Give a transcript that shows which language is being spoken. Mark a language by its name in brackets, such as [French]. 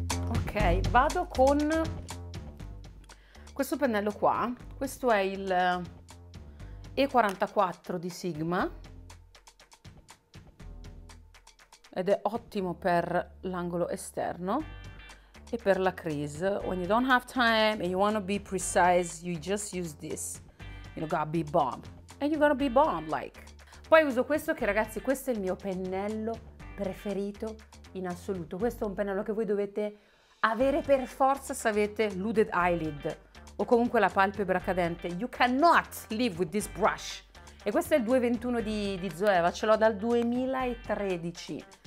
[Italian] Ok, vado con questo pennello qua. Questo è il E44 di Sigma. Ed è ottimo per l'angolo esterno e per la crease. [English] When you don't have time and you want to be precise, you just use this. You know, gotta be bomb. And you're gonna be bomb, like. [Italian] Poi uso questo che, ragazzi, questo è il mio pennello preferito in assoluto. Questo è un pennello che voi dovete avere per forza se avete [English] looded eyelid [Italian] o comunque la palpebra cadente. [English] You cannot live with this brush. [Italian] E questo è il 221 di Zoeva, ce l'ho dal 2013.